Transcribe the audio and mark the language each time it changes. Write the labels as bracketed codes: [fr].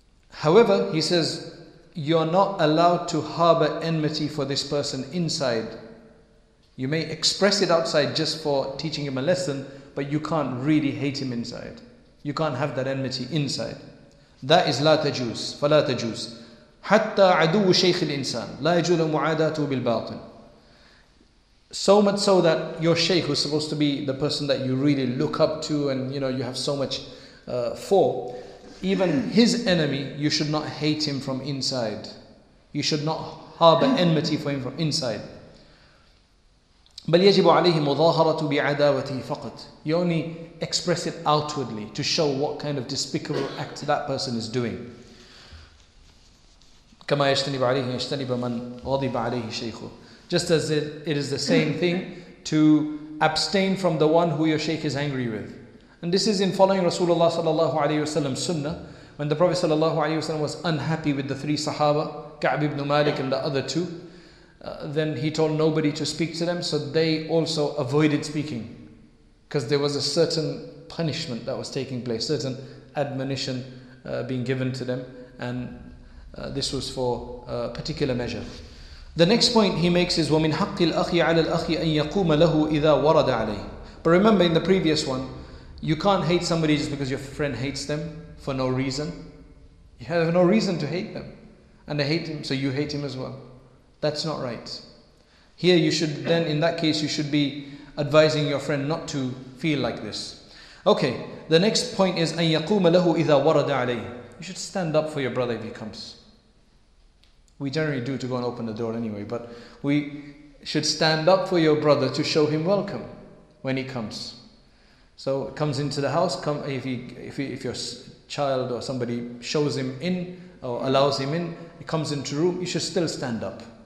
[en] However, he says, you're not allowed to harbor enmity for this person inside. You may express it outside just for teaching him a lesson, but you can't really hate him inside. You can't have that enmity inside. That is [ar] لا تجوز, فلا تجوز. حتى عدو شيخ الإنسان لا يجوز معاداته بالباطن. [en] So much so that your sheikh, who's supposed to be the person that you really look up to and you know you have so much for, even his enemy, you should not hate him from inside. You should not harbor enmity for him from inside. [ar] بل يجب عليه مظاهرة بعداوته فقط. [en] You only express it outwardly to show what kind of despicable act that person is doing. [ar] كما يجتنب عليه يجتنب من غضب عليه شيخه. [en] Just as it is the same thing to abstain from the one who your sheikh is angry with. And this is in following Rasulullah sallallahu alayhi wa sallam's sunnah. When the Prophet [ar] sallallahu alayhi wa sallam [en] was unhappy with the three sahaba, Ka'b ibn Malik and the other two, then he told nobody to speak to them, so they also avoided speaking. Because there was a certain punishment that was taking place, certain admonition being given to them, and this was for a particular measure. The next point he makes is, [ar] وَمِنْ حَقِّ الْأَخِي عَلَى الْأَخِي أَنْ يَقُومَ لَهُ إِذَا وَرَدَ عَلَيْهِ. [en] But remember in the previous one, you can't hate somebody just because your friend hates them for no reason. You have no reason to hate them. And they hate him, so you hate him as well. That's not right. Here you should then, in that case, you should be advising your friend not to feel like this. Okay, the next point is, [ar] أَنْ يَقُومَ لَهُ إِذَا وَرَدَ عَلَيْهِ. [en] You should stand up for your brother if he comes. We generally do to go and open the door anyway, but we should stand up for your brother to show him welcome when he comes. So comes into the house, if your child or somebody shows him in or allows him in, he comes into the room, you should still stand up.